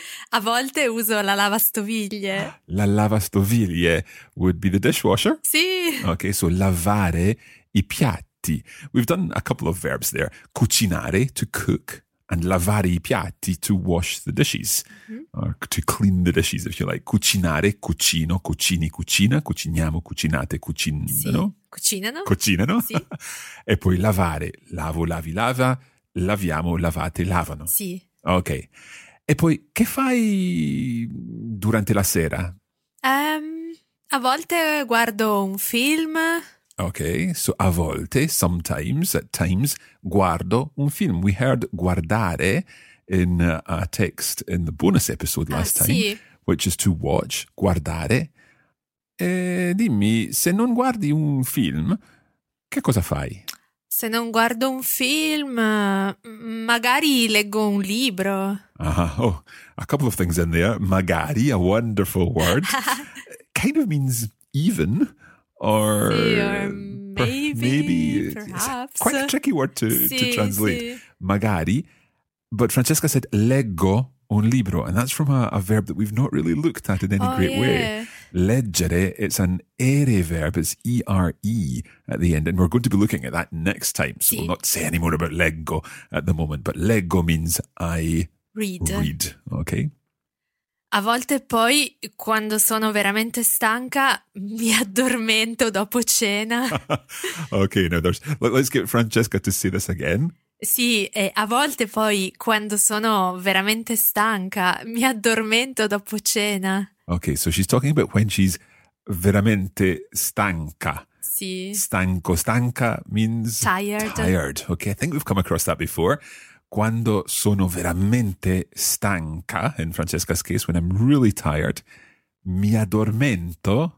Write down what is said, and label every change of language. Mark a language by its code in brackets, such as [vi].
[it] A volte uso la lavastoviglie. [en] La lavastoviglie would be the dishwasher? [it] Sì. Ok, so lavare i piatti. [en] We've done a couple of verbs there. Cucinare, to cook, and [it] lavare i piatti, [en] to wash the dishes. Mm-hmm. Or to clean the dishes, if you like. [it] Cucinare, cucino, cucini, cucina, cuciniamo, cucinate, cucinano. Sì. Cucinano. Cucinano. Sì. E poi lavare. Lavo, lavi, lava. Laviamo, lavate, lavano. Sì. Ok. E poi che fai durante la sera? A volte guardo un film. [en] Ok. So [it] a volte, [en] sometimes, at times, [it] guardo un film. [en] We heard guardare in a text in the bonus episode last time. [it] Sì. [en] Which is to watch, guardare. [it] Dimmi, se non guardi un film, che cosa fai? Se non guardo un film, magari leggo un libro. Uh-huh. [en] Oh, a couple of things in there. Magari, a wonderful word. Kind of means even, or... Sì, or maybe, perhaps. Quite a tricky word to translate. [it] Sì. [en] Magari, but Francesca said [it] leggo un libro, [en] and that's from a verb that we've not really looked at in any great way. Leggere, it's an ere verb, it's E-R-E at the end, and we're going to be looking at that next time, so [it] sì. [en] we'll not say any more about leggo at the moment, but leggo means I read, ok? [it] A volte poi, quando sono veramente stanca, mi addormento dopo cena. [en] Ok, now let's get Francesca to say this again. [it] Sì, e a volte poi, quando sono veramente stanca, mi addormento dopo cena. [en] Ok, so she's talking about when she's [it] veramente stanca. Sì. [en] Stanco, stanca means tired. Ok, I think we've come across that before. [it] Quando sono veramente stanca, [en] in Francesca's case, when I'm really tired, [it] mi addormento